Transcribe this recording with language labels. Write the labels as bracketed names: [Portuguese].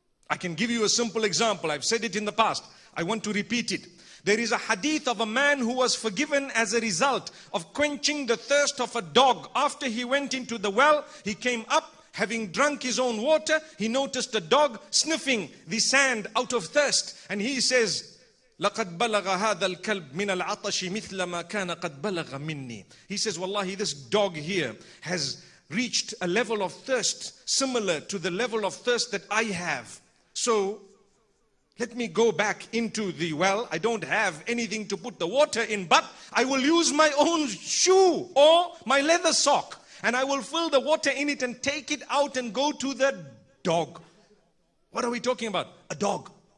[English] I can give you a simple example. I've said it in the past. I want to repeat it. There is a hadith of a man who was forgiven as a result of quenching the thirst of a dog. After he went into the well, he came up having drunk his own water. He noticed a dog sniffing the sand out of thirst. [Arabic] And he says, لَقَدْ بَلَغَ هَذَا الْكَلْبْ مِنَ الْعَطَشِ مِثْلَ مَا كَانَ قَدْ بَلَغَ مِنِّي. [English] He says, wallahi, this dog here has reached a level of thirst similar to the level of thirst that I have. So let me go back into the well. I don't have anything to put the water in, but I will use my own shoe or my leather sock and I will fill the water in it and take it out and go to the dog. What are we talking about? A dog.